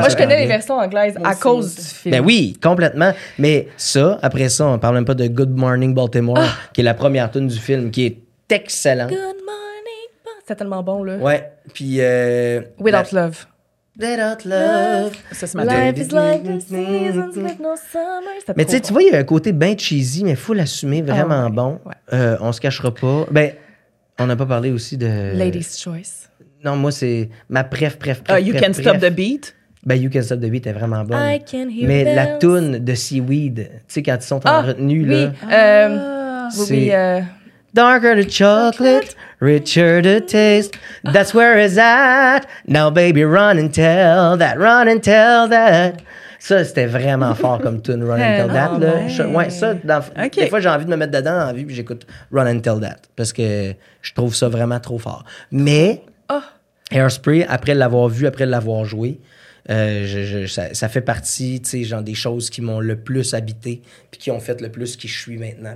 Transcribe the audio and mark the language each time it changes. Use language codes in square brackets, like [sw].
[fr] Moi, je connais les versions anglaises à cause du film. Ben oui, complètement. Mais ça, après ça, on parle même pas de Good Morning Baltimore, qui est la première tune du film, qui est excellent. C'était tellement bon, là. Ouais. Puis. [en] Without Love. Without Love. [fr] Ça, c'est ma tête. [en] Life is like the seasons with no summer. [fr] Mais tu sais, tu vois, il y a un côté bien cheesy, mais il faut l'assumer vraiment bon. Ouais. On se cachera pas. Ben, on n'a pas parlé aussi de. [en] Lady's Choice. [fr] Non, moi, c'est ma préf. [en] You Can't Stop the Beat. [fr] Ben, You Can't Stop the Beat est vraiment bon. [en] I can hear mais bells. [fr] La toune de Seaweed, tu sais, quand ils sont en retenue, oui. Là. [en] Darker the chocolate, richer the taste. That's where it's at. Now, baby, run and tell that. Run and tell that. [fr] Ça, c'était vraiment fort comme tune, Run and Tell That. Là. Des fois, j'ai envie de me mettre dedans dans la vie puis j'écoute Run and Tell That parce que je trouve ça vraiment trop fort. Mais Hairspray, après l'avoir vu, après l'avoir joué, ça fait partie, tu sais, genre des choses qui m'ont le plus habité puis qui ont fait le plus qui je suis maintenant.